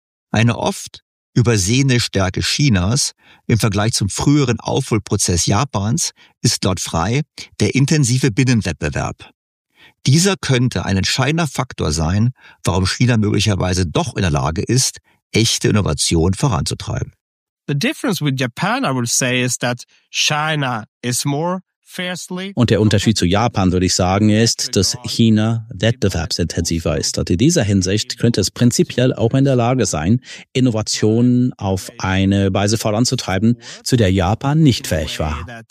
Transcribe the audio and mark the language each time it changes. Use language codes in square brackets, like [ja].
[de] Eine oft übersehene Stärke Chinas im Vergleich zum früheren Aufholprozess Japans ist laut Frei der intensive Binnenwettbewerb. Dieser könnte ein entscheidender Faktor sein, warum China möglicherweise doch in der Lage ist, echte Innovation voranzutreiben. [en] The difference with Japan, I would say, is that China is more. [de] Und der Unterschied zu Japan, würde ich sagen, ist, dass China wettbewerbsintensiver ist. Und in dieser Hinsicht könnte es prinzipiell auch in der Lage sein, Innovationen auf eine Weise voranzutreiben, zu der Japan nicht fähig war.